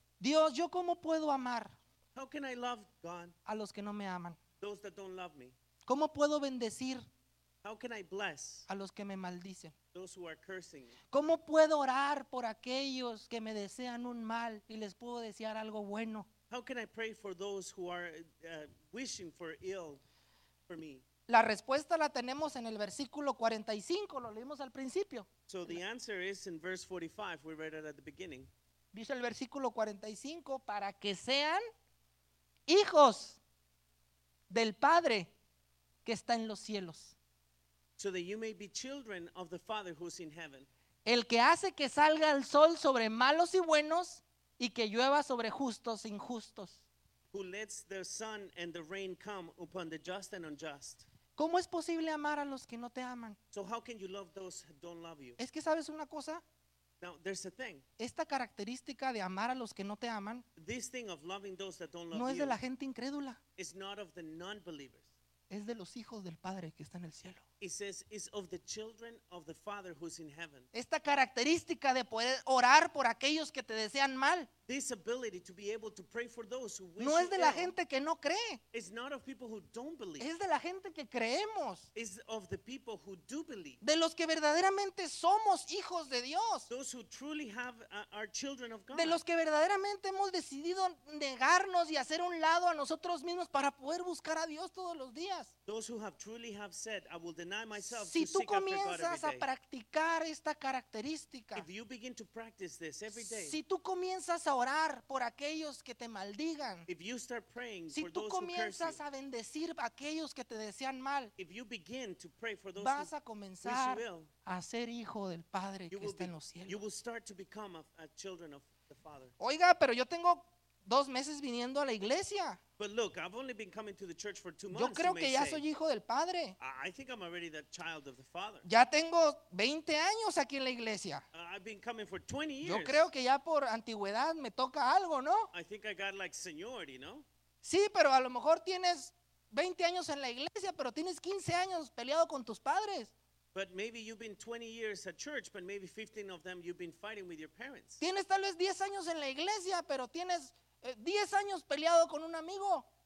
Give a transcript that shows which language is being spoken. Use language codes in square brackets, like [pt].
[es] Dios, ¿yo cómo puedo amar [en] how can I love God, [es] a los que no me aman? [en] Those that don't love me. [es] ¿Cómo puedo bendecir [en] how can I bless [es] a los que me maldicen? [en] Those who are cursing me. [es] ¿Cómo puedo orar por aquellos que me desean un mal y les puedo desear algo bueno? [en] How can I pray for those who are wishing for ill for me? [es] La respuesta la tenemos en el versículo 45, lo leímos al principio. [en] So the answer is in verse 45, we read it at the beginning. [es] Dice el versículo 45, para que sean hijos del Padre que está en los cielos. [en] So that you may be children of the Father who's in heaven. [es] El que hace que salga el sol sobre malos y buenos y que llueva sobre justos e injustos. [en] Who lets the sun and the rain come upon the just and unjust. [es] ¿Cómo es posible amar a los que no te aman? [en] So how can you love those who don't love you? [es] Es que sabes una cosa. [en] Now, there's a thing. [es] Esta característica de amar a los que no te aman. [en] This thing of loving those that don't love [es] no es de [en] you, [es] la gente incrédula. [en] It's not of the non-believers. [es] Es de los hijos del Padre que está en el cielo. [en] It says it's of the children of the Father who's in heaven. [es] Esta característica de poder orar por aquellos que te desean mal. [en] This ability to be able to pray for those who wish [es] no es de la gente que no cree. [en] It's not of people who don't believe. [es] Es de la gente que creemos. [en] It's of the people who do believe. [es] De los que verdaderamente somos hijos de Dios. [en] Those who truly have are children of God. [es] De los que verdaderamente hemos decidido negarnos y hacer un lado a nosotros mismos para poder buscar a Dios todos los días. [en] Those who have truly have said, I will deny myself. [es] Si tú comienzas a practicar esta característica. [en] If you begin to practice this every day. [es] Si tú comienzas a orar por aquellos que te maldigan. [en] If you start praying [es] si tú comienzas [en] you, [es] a bendecir a aquellos que te desean mal, [en] if you begin to pray for those [es] vas [en] who [es] a comenzar [en] will, [es] a ser hijo del Padre que está en los cielos. [en] You will start to become a children of the Father. [es] Oiga, pero yo tengo 2 meses viniendo a la iglesia. [en] But look, I've only been coming to the church for 2 months. [es] Yo creo que ya [en] say, [es] soy hijo del Padre. [en] I think I'm already the child of the Father. [es] Ya tengo 20 años aquí en la iglesia. [en] I've been coming for 20 years. [es] Yo creo que ya por antigüedad me toca algo, ¿no? [en] I think I got like seniority, [es] ¿no? Sí, pero a lo mejor tienes 20 años en la iglesia, pero tienes 15 años peleado con tus padres. [en] But maybe you've been 20 years at church, but maybe 15 of them you've been fighting with your parents. [es] Tienes tal vez 10 años en la iglesia, pero tienes 10 años peleado con un amigo.